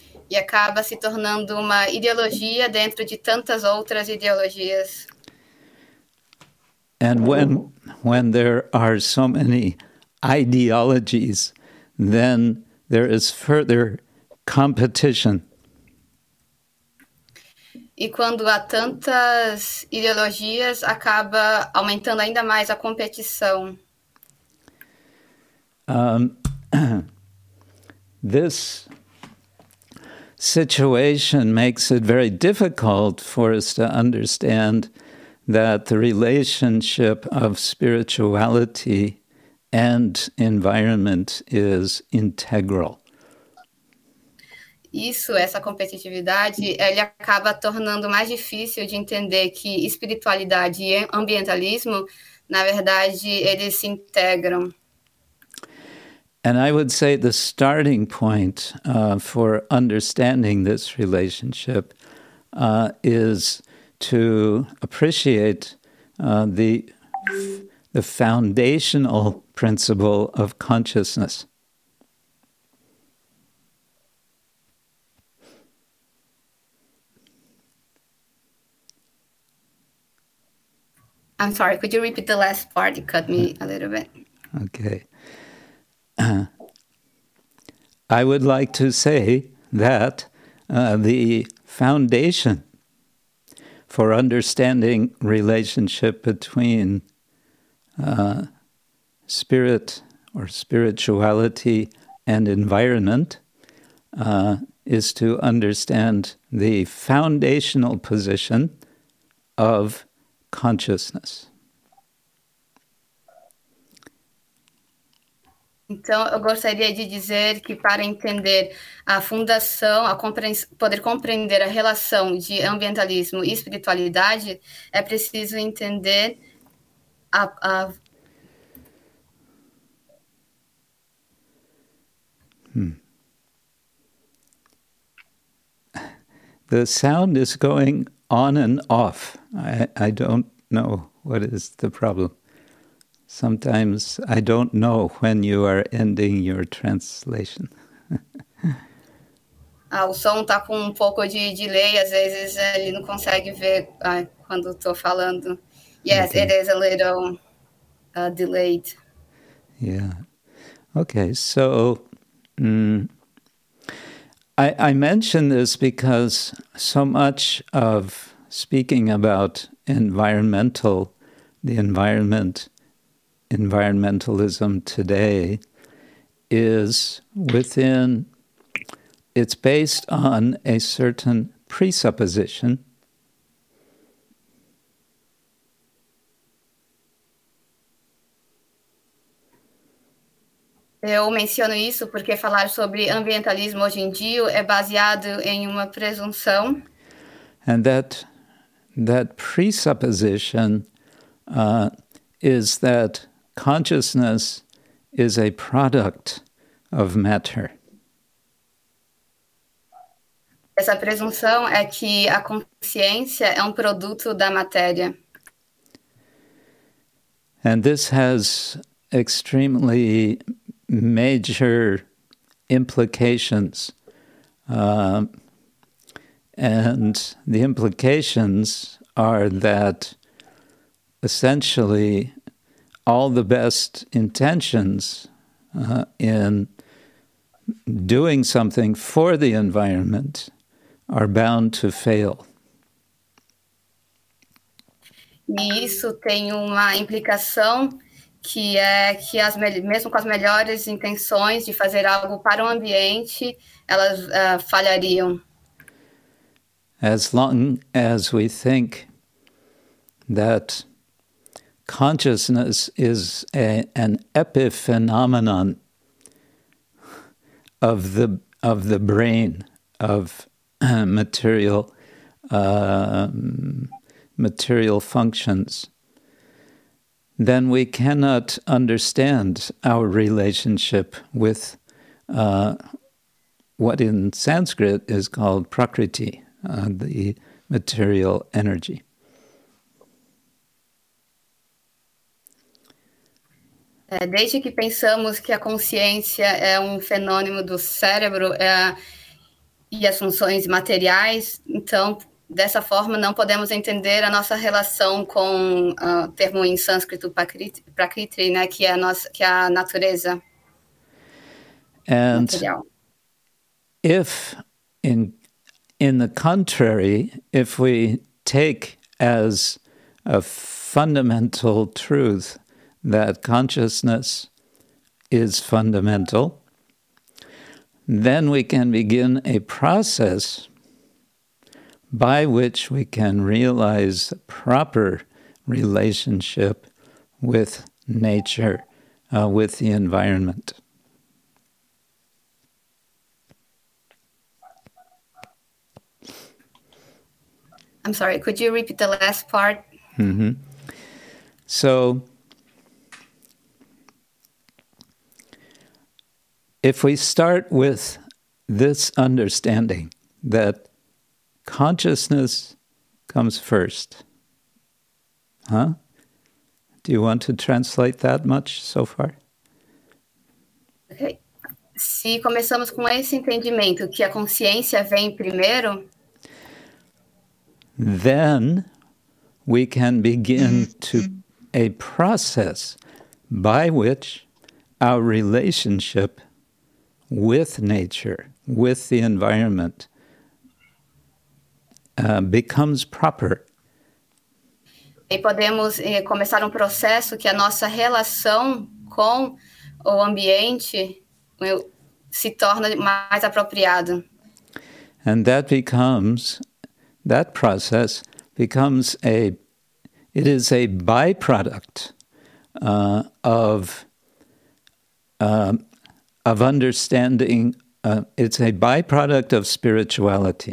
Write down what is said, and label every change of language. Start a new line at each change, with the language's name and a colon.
Portuguese: E acaba se tornando uma ideologia dentro de tantas outras ideologias.
English: And when there are so many ideologies, then there is further competition.
Portuguese: E quando há tantas ideologias, acaba aumentando ainda mais a competição.
English: This situation makes it very difficult for us to understand that the relationship of spirituality and environment is integral.
Portuguese: Isso, essa competitividade, ele acaba tornando mais difícil de entender que espiritualidade e ambientalismo, na verdade, eles se integram.
English: And I would say the starting point for understanding this relationship is to appreciate the foundational principle of consciousness. I'm sorry, could you repeat the last part? It cut me a little bit. Okay. I would like to say that the foundation for understanding relationship between spirit or spirituality and environment is to understand the foundational position of consciousness.
Portuguese: Então, eu gostaria de dizer que para entender a fundação, poder compreender a relação de ambientalismo e espiritualidade, é preciso entender
English: The sound is going on and off. I don't know what is the problem. Sometimes I don't know when you are ending your translation.
Portuguese: Ah, o som tá com um pouco de delay. Às vezes ele não consegue ver quando estou falando.
English: Yes, okay. It is a little delayed. Yeah. Okay, so I mention this because so much of speaking about environmentalism today is within, it's based on a certain presupposition.
Portuguese: Eu menciono isso porque falar sobre ambientalismo hoje em dia é baseado em uma presunção.
English: And that presupposition is that consciousness is a product of matter.
Portuguese: Essa presunção é que a consciência é produto da matéria.
English: And this has extremely major implications. And the implications are that essentially all the best intentions in doing something for the environment are bound to fail.
Portuguese: E isso tem uma implicação que é que as mesmo com as melhores intenções de fazer algo para o ambiente, elas falhariam.
English: As long as we think that consciousness is an epiphenomenon of the brain of material functions, then we cannot understand our relationship with what in Sanskrit is called prakriti, the material energy.
Portuguese: Desde que pensamos que a consciência é fenômeno do cérebro e as funções materiais, então, dessa forma, não podemos entender a nossa relação com o termo em sânscrito prakriti, né, que é a nossa, que é a natureza
English: and
Portuguese: material.
English: If, in the contrary, if we take as a fundamental truth that consciousness is fundamental, then we can begin a process by which we can realize a proper relationship with nature, with the environment. I'm sorry, could you repeat the last part? Mm-hmm. So, if we start with this understanding that consciousness comes first, huh? Do you want to translate that much so far? Okay.
Portuguese: Se começamos com esse entendimento que a consciência vem primeiro,
English: then we can begin to a process by which our relationship with nature, with the environment, becomes proper.
Portuguese: E podemos começar processo que a nossa relação com o ambiente se torna mais apropriado.
English: And that process becomes it is a byproduct of understanding, it's a byproduct of spirituality.